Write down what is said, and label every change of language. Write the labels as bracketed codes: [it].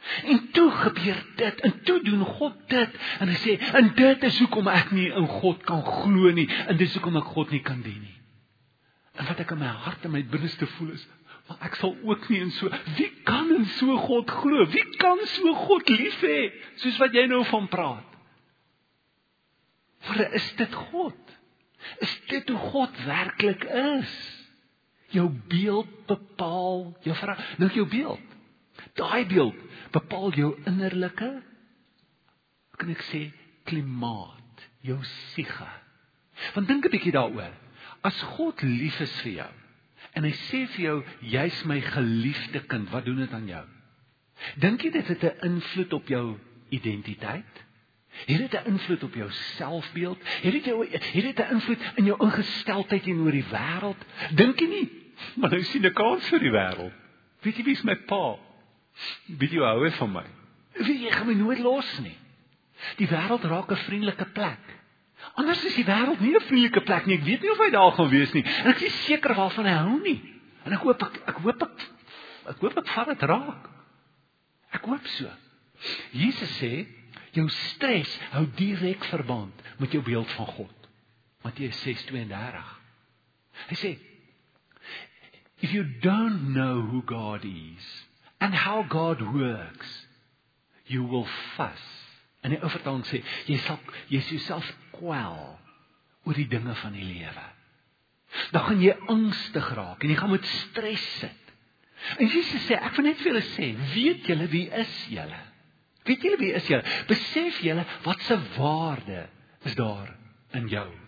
[af] En toe gebeur dit, en toe doen God dit, en hy sê, en dit is hoekom ek nie in God kan glo nie, en dit is hoekom ek God nie kan dien nie. En wat ek in my hart en my binneste voel is, maar ek sal ook nie in so, wie kan in so God glo, wie kan so God lief hê, soos wat jy nou van praat? Maar is dit God? Is dit hoe God werkelijk is? Jou beeld bepaal, jou vraag, nou jou beeld, daai beeld, bepaal jou innerlijke, kan ek sê, klimaat, jou siege. Want dink 'n bietjie daaroor, as God lief is vir jou, en hy sê vir jou, jy is my geliefde kind, wat doen dit aan jou? Dink jy dit het 'n invloed op jou identiteit? Het dit 'n invloed op jou selfbeeld? Het dit 'n invloed in jou ingesteldheid en oor die wêreld? Dink jy nie, maar nou sien 'n kans vir die wêreld. Weet jy wie is my pa? Wie jy hou van my? Wie jy gaan my nooit los nie? Die wêreld raak 'n vriendelike plek. Anders is die wêreld nie 'n vriendelike plek nie. Ek weet nie of hy daar gaan wees nie. En ek is seker waarvan hy hou nie. En ek hoop ek vat het raak. Ek hoop so. Jesus sê, jou stres hou direk verband met jou beeld van God. Matteus 6:32. Hy sê, [en] if you don't know who God is, and how God works, you will fuss. [af] En die overtaling sê, jy is jouself kwel oor die dinge van die lewe. Dan gaan jy angstig raak, en jy gaan met stress sit. En Jesus sê, ek wil net vir julle sê, weet julle wie is julle? Weet julle wie is julle? Besef julle, wat se waarde is daar in jou?